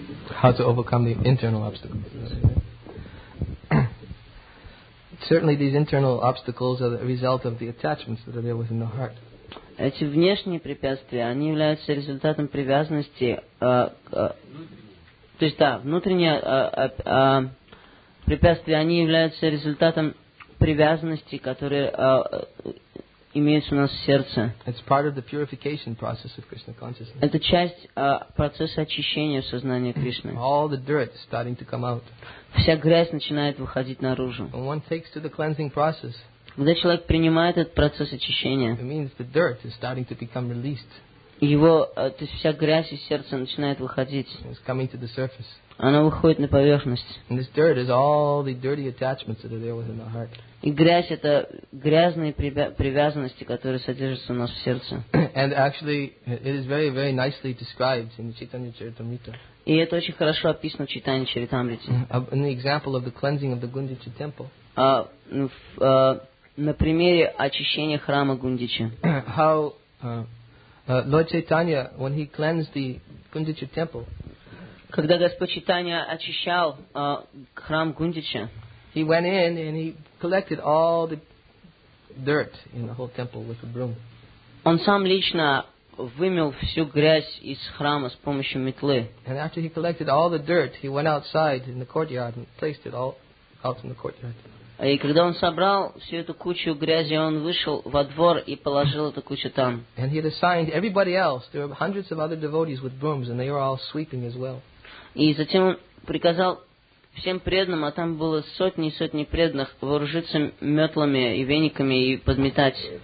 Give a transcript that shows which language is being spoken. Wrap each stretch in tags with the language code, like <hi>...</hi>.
<en>How to overcome the internal obstacles. Certainly these internal obstacles are the result of the attachments that are there within the heart.</en> <ru>Эти внешние препятствия, они являются результатом привязанности, то есть, да, внутренние препятствия, они являются результатом привязанности, которые имеются у нас в сердце.</ru> <en>It's part of the purification process of Krishna consciousness.</en> <ru>Это часть процесса очищения сознания Кришны.</ru> <en>All the dirt is starting to come out.</en> <ru>Вся грязь начинает выходить наружу.</ru> <en>When one takes to the cleansing process,</en> <ru>когда человек принимает этот процесс очищения,</ru> <en>it means the dirt is starting to become released.</en> <ru>Его, то есть вся грязь из сердца начинает выходить.</ru> <en>It's coming to the surface.</en> <ru>Она выходит на поверхность.</ru> <en>And this dirt is all the dirty attachments that are there within the heart.</en> <ru>И грязь — это грязные привязанности, которые содержатся у нас в сердце.</ru> <en>And actually, it is very, very nicely described in the Chaitanya Charitamrita.</en> <ru>И это очень хорошо описано в Чайтанье Чаритамрите.</ru> <en>In the example of the cleansing of the Гундича temple.</en> <ru>На примере очищения храма Гундича.</ru> <en>How Lord Chaitanya, when he cleansed the Гундича temple.</en> <ru>Когда Господь Чайтанья очищал храм Гундича,</ru> <en>he went in and he collected all the dirt in the whole temple with a broom.</en> <ru>Он сам лично вымел всю грязь из храма с помощью метлы.</ru> <en>And after he collected all the dirt, he went outside in the courtyard and placed it all out in the courtyard.</en> <ru>И когда он собрал всю эту кучу грязи, он вышел во двор и положил эту кучу там.</ru> <en>And he had assigned everybody else. There were hundreds of other devotees with brooms, and they were all sweeping as well.</en> <ru>И затем он приказал всем преданным, а там было сотни и сотни преданных, вооружиться метлами и вениками и подметать.</ru>